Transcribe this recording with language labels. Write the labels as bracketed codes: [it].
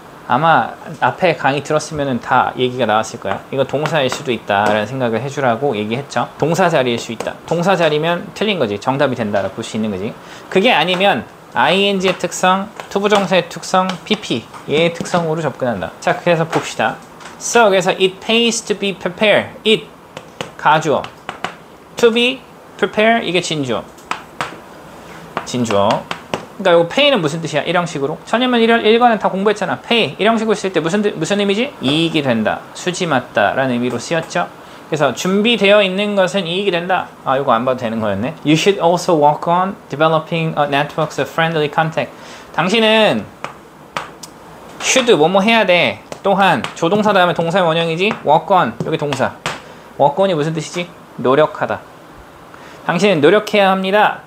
[ko] 아마 앞에 강의 들었으면 다 얘기가 나왔을 거야. 이거 동사일 수도 있다라는 생각을 해주라고 얘기했죠. 동사 자리일 수 있다. 동사 자리면 틀린 거지. 정답이 된다라고 볼 수 있는 거지. 그게 아니면 ing의 특성, 투부정사의 특성, pp 얘의 특성으로 접근한다. 자, 그래서 봅시다. [en] So, [ko] 그래서 [en] it pays to be prepared. [ko] It, 가주어. [en] To be prepared, [ko] 이게 진주어. 진주어. 그러니까 이거 pay는 무슨 뜻이야? 이런 식으로. 천연문 1관은 다 공부했잖아. pay 이런 식으로 쓸 때 무슨 의미지? 이익이 된다. 수지 맞다 라는 의미로 쓰였죠. 그래서 준비되어 있는 것은 이익이 된다. 아, 이거 안 봐도 되는 거였네. [en] You should also work on developing a network of friendly contact. [ko] 당신은 should 뭐뭐 해야 돼. 또한 조동사 다음에 동사의 원형이지? work on. 여기 동사. work on이 무슨 뜻이지? 노력하다. 당신은 노력해야 합니다.